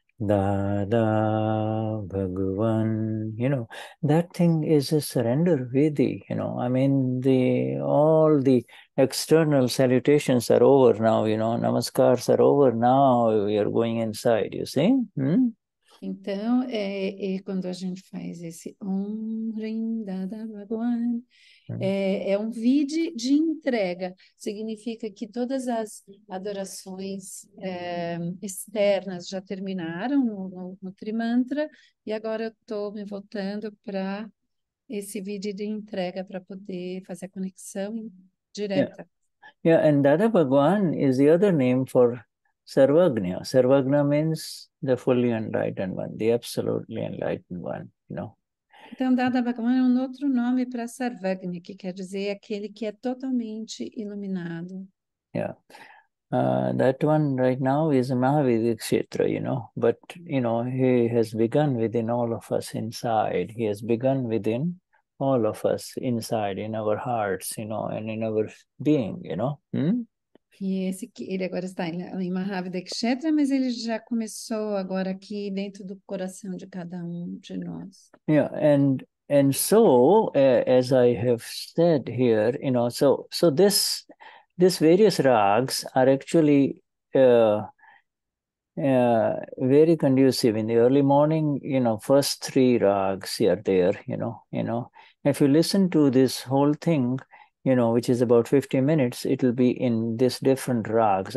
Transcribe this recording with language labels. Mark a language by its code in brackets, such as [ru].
[en] Dada, Bhagavan, you know, that thing is a surrender vidhi, you know. I mean, all the external salutations are over now, you know, namaskars are over now, we are going inside, you see? [pt] Então, quando a gente faz esse Om, Dada, Bhagavan, é um vidhi de entrega. Significa que todas as adorações externas já terminaram no Trimantra e agora eu estou me voltando para esse vidhi de entrega para poder fazer a conexão direta. [en] Yeah, and Dada Bhagavan is the other name for Sarvagna. Sarvagna means the fully enlightened one, the absolutely enlightened one, you know. [pt] Então, Dada Bhagavan é um outro nome para Sarvagni, que quer dizer aquele que é totalmente iluminado. [en] Yeah. That one right now is Mahavidya Kshetra, you know. But, you know, he has begun within all of us inside. He has begun within all of us inside, in our hearts, you know, and in our being, you know. [pt] E esse que ele agora está em Mahavidya Kshetra, mas ele já começou agora aqui dentro do coração de cada de nós. [en] Yeah, and so as I have said here, you know, so this various raags are actually very conducive in the early morning. You know, first three raags are there. You know, if you listen to this whole thing, you know, which is about 50 minutes, it'll be in this different rags.